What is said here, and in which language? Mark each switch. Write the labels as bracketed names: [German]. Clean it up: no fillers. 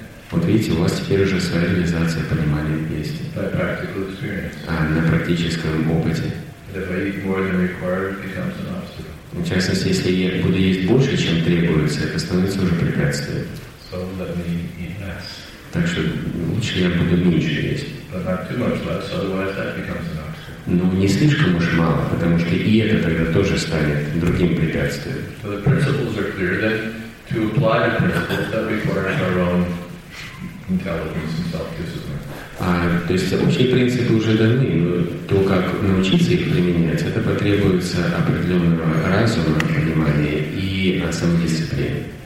[Russian] Вот видите, у вас теперь уже своя реализация понимания есть. На практическом опыте. В частности, если я буду есть больше, чем требуется, это становится уже препятствием. [English] So let me eat less. [Russian] Так что лучше я буду меньше есть. [English] But not too much less, otherwise that becomes an obstacle. [Russian] Ну, не слишком уж мало, потому что и это тогда тоже станет другим препятствием. [English] So the principles are clear, then to apply the principles that requires our own intelligence and self-discipline. [Russian] То есть общие принципы уже даны, но то, как научиться их применять, это потребуется определенного разума, понимания и самодисциплины.